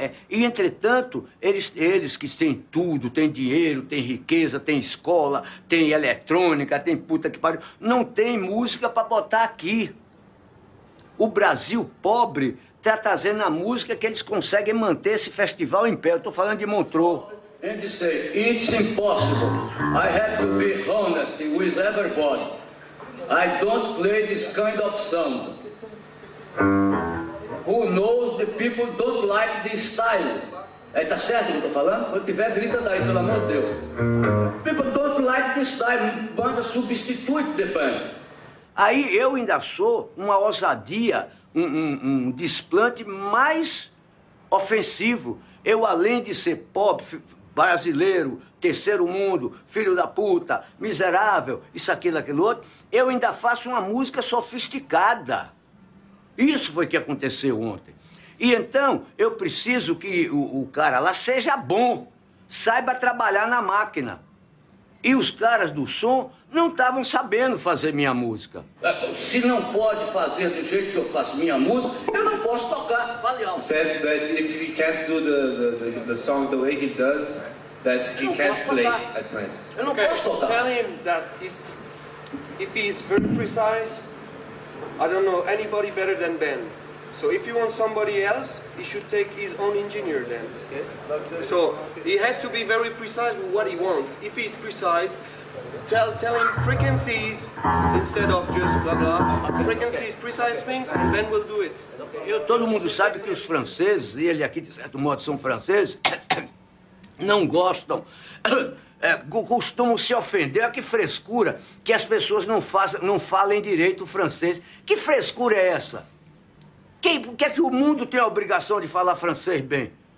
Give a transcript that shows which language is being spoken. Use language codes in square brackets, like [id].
[pt] E, entretanto, eles que têm tudo, têm dinheiro, têm riqueza, têm escola, têm eletrônica, têm puta que pariu, não tem música para botar aqui. O Brasil pobre está trazendo a música que eles conseguem manter esse festival em pé. Eu estou falando de Montreux. [en] And say, it's impossible. I have to be honest with everybody. I don't play this kind of song. Who knows the people don't like this style? [pt] Aí tá certo o que eu tô falando? Quando tiver, grita daí, pelo amor de Deus. [en] People don't like this style. Banda substitute the band. [pt] Aí eu ainda sou uma ousadia, um desplante mais ofensivo. Eu, além de ser pobre, brasileiro, terceiro mundo, filho da puta, miserável, isso, aquilo, aquilo outro, eu ainda faço uma música sofisticada. Isso foi que aconteceu ontem. E então, eu preciso que o cara lá seja bom, saiba trabalhar na máquina. E os caras do som não estavam sabendo fazer minha música. Se não pode fazer do jeito que eu faço minha música, eu não posso tocar. Vale alto. [en] He said that if he can't do the song the way he does, that he can't play at night. [pt] Eu não posso tocar. [en] Tell him that if he is very precise, I don't know anybody better than Ben. So if you want somebody else, he should take his own engineer then. Okay? So he has to be very precise with what he wants. If he's precise, tell him frequencies instead of just blah blah. Frequencies, precise things, and Ben will do it. [pt] Todo mundo sabe que os franceses, e ele aqui de certo modo são franceses, não gostam. Costumam se ofender. Que frescura que as pessoas não falem direito o francês. Que frescura é essa? Por que é que o mundo tem a obrigação de falar francês bem?